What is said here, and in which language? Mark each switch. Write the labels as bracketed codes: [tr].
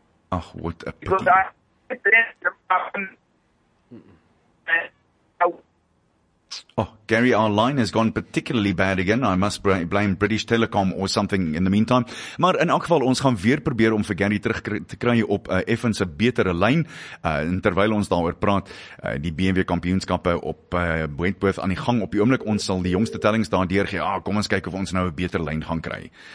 [en] Oh, what a pity. Oh, Gary, our line has gone particularly bad again. I must blame British Telecom or something in the meantime. [af] Maar in elk geval, ons gaan weer probeer om vir Gary terug te kry op Effens een betere lijn. En terwijl ons daar oor praat, die BMW kampioenskappe op Wentworth aan die gang op die oomblik, ons sal die jongste tellings daar deur gee. Ah, kom ons kyk of ons nou een betere lijn gaan kry.